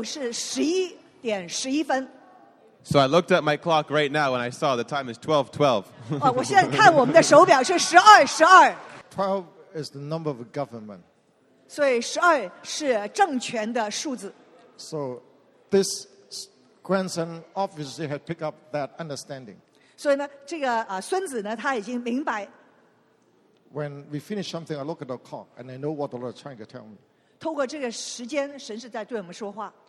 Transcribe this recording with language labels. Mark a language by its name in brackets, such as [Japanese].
[Chinese] 我必须分享，当我们这样做的时候是11点11分。 [English] So I looked at my clock right now, and I saw the time is 12:12. [Chinese] 我现在看我们的手表是12:12。 [English] 12 is the number of government. [Chinese] 所以12是政权的数字。 [English] So this grandson obviously had picked up that understanding. [Chinese] 所以呢，这个孙子呢，他已经明白。 [English] When we finish something, I look at the clock, and I know what the Lord is trying to tell me. [Chinese] 透过这个时间，神是在对我们说话。